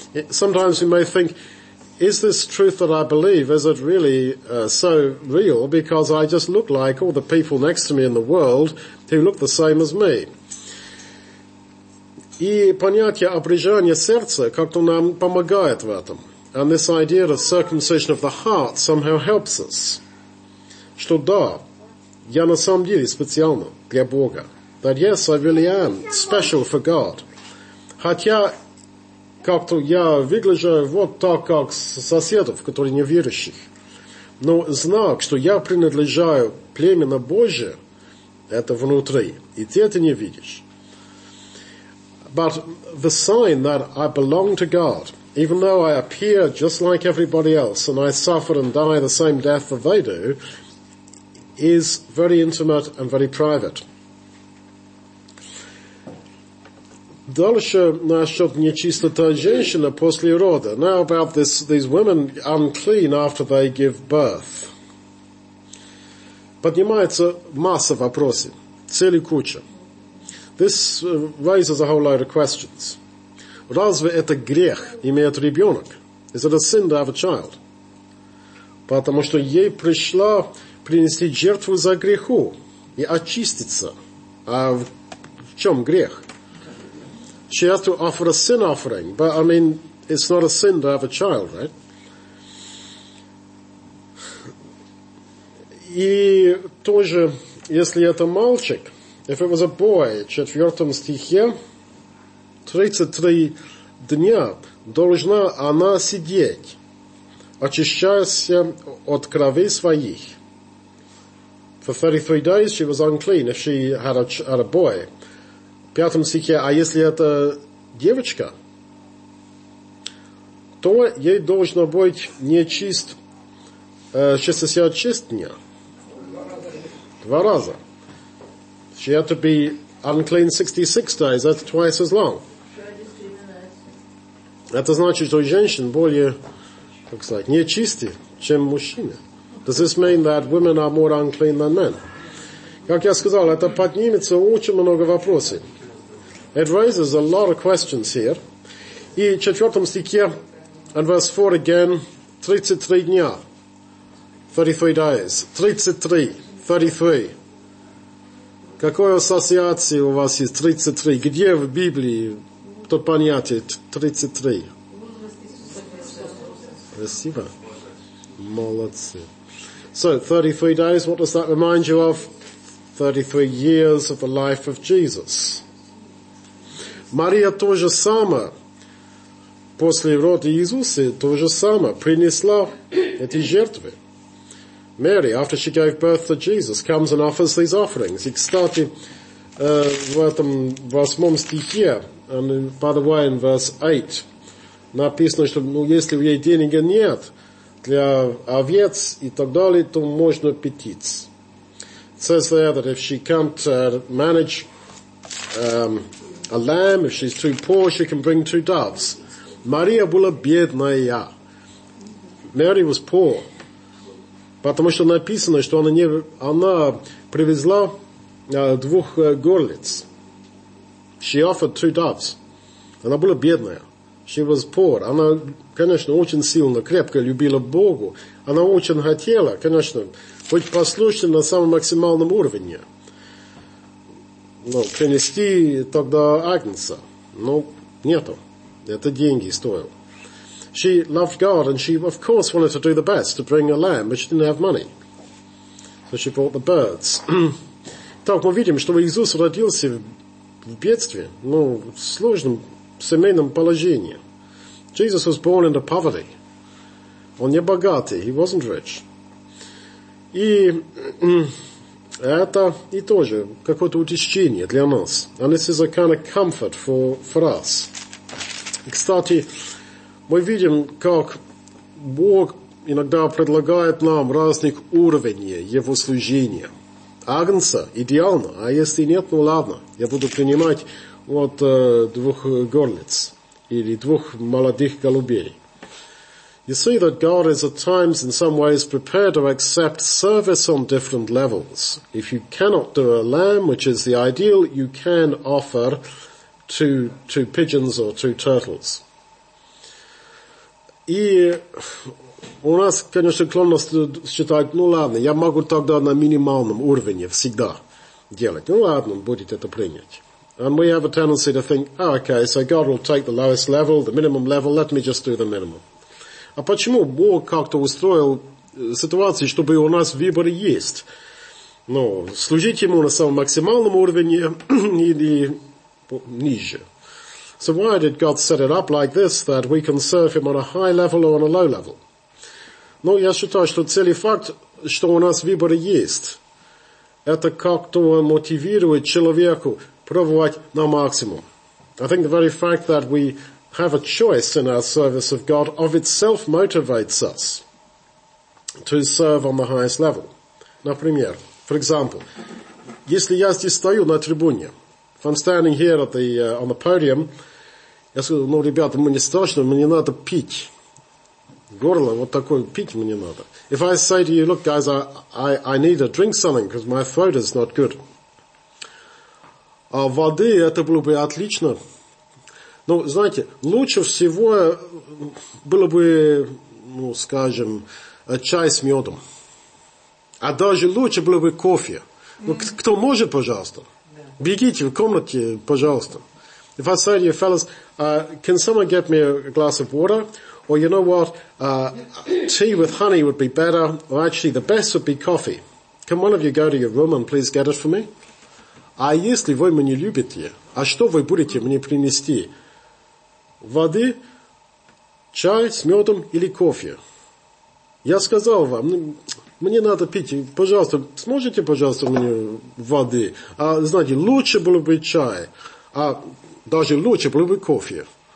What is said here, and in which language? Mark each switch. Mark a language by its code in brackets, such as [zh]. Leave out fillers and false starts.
[en] Sometimes we may think, is this truth that I believe, is it really so real? Because I just look like all the people next to me in the world who look the same as me. [ru] И понятие обрежения сердца как-то нам помогает в этом. [en] And this idea of circumcision of the heart somehow helps us. [ru] Что да, я на самом деле специально для Бога. [en] That yes, I really am special for God. [ru] Хотя как-то я выгляжу вот так, как соседов, которые неверующих. Но знак, что я принадлежаю племени Божие, это внутри. И ты это не видишь. [en] But the sign that I belong to God, even though I appear just like everybody else and I suffer and die the same death that they do, is very intimate and very private. [ru] Дальше насчет нечистота женщины после рода. [en] Now about this, these women unclean after they give birth. [ru] Поднимается масса вопросов, целая куча. [en] This raises a whole load of questions. [ru] Разве это грех иметь ребенок? [en] Is it a sin to have a child? [ru] Потому что ей пришла принести жертву за греху и очиститься. А в чем грех? [en] She has to offer a sin offering, but I mean, it's not a sin to have a child, right? [ru] И тоже, если это мальчик, [en] if it was a boy, [ru] в 4 стихе, 33 дня должна она сидеть, очищаясь от крови своих. [en] For 33 days she was unclean if she had had a boy. [ru] В 5 стихе, а если это девочка, то ей должно быть нечист 66 дня. Два раза. [en] She had to be unclean 66 days, that's twice as long. [ru] Это значит, что женщины более, как сказать, нечисты, чем мужчины. [en] Does this mean that women are more unclean than men? [ru] Как я сказал, это поднимется очень много вопросов. [en] It raises a lot of questions here. [ru] И в 4 стихе, [en] and verse 4 again, [ru] 33 дня, [en] 33 days, 33, 33. [ru] Какой ассоциации у вас есть 33? Где в Библии то понятие 33? Спасибо. Молодцы. [en] So, 33 days, what does that remind you of? 33 years of the life of Jesus. [ru] Мария тоже сама, после рода Иисуса, тоже сама принесла эти жертвы. [en] Мария, after she gave birth to Jesus, comes and offers these offerings. [ru] И, кстати, в этом 8 стихе, [en] and by the way, in verse 8, [ru] написано, что ну, если у ей денег нет для овец и так далее, то можно петиц. [en] It says there that if she can't manage a lamb, if she's too poor, she can bring two doves. [ru] Мария была бедная. [en] Mary was poor. [ru] Потому что написано, что она привезла двух горлиц. [en] She offered two doves. [ru] Она была бедная. [en] She was poor. [ru] Она, конечно, очень сильно, крепко любила Богу. Она очень хотела, конечно, быть послушной на самом максимальном уровне. Ну, принести тогда Агнца. Ну, нету. Это деньги стоил. [en] She loved God, and she, of course, wanted to do the best, to bring a lamb, but she didn't have money. So she brought the birds. [ru] Так, мы видим, что Иисус родился в бедствии, ну, в сложном семейном положении. [en] Jesus was born into poverty. [ru] Он не богатый. [en] He wasn't rich. [ru] И это и тоже какое-то утешение для нас. [en] And this is a kind of comfort for us. [ru] Кстати, мы видим, как Бог иногда предлагает нам разных уровней Его служения. Агнца идеально, а если нет, ну ладно, я буду принимать вот двух горлиц или двух молодых голубей. [en] You see that God is at times in some ways prepared to accept service on different levels. If you cannot do a lamb, which is the ideal, you can offer two pigeons or two turtles. [ru] И у нас, конечно, склонность считать, ну ладно, я могу тогда на минимальном уровне всегда делать. Ну ладно, будет это принять. [en] And we have a tendency to think, oh, okay, so God will take the lowest level, the minimum level, let me just do the minimum. [ru] А почему Бог как-то устроил ситуацию, чтобы у нас выборы есть? Ну, служить Ему на самом максимальном уровне или ниже? [en] So why did God set it up like this, that we can serve Him on a high level or on a low level? [ru] Ну, я считаю, что целый факт, что у нас выборы есть, это как-то мотивирует человеку пробовать на максимум. [en] I think the very fact that we have a choice in our service of God of itself motivates us to serve on the highest level. [ru] Например, [en] for example, [ru] если я здесь стою на трибуне, [en] if I'm standing here at the on the podium, [ru] я скажу, ну, ребята, мне страшно, мне надо пить. Горло вот такое, пить мне надо. [en] If I say to you, look, guys, I need to drink something because my throat is not good. [ru] А воды, это было бы отлично. Ну, знаете, лучше всего было бы, ну, скажем, чай с медом. А даже лучше было бы кофе. Ну, кто может, пожалуйста? Бегите в комнате, пожалуйста. [en] If I say to you, fellas, can someone get me a glass of water? Or you know what, tea with honey would be better. Or actually, the best would be coffee. Can one of you go to your room and please get it for me? [ru] А если вы меня любите, а что вы будете мне принести? Воды, чай с медом или кофе? Я сказал вам, мне надо пить. Пожалуйста, сможете, пожалуйста, мне воды? А знаете, лучше было бы чай. А даже лучше было бы кофе.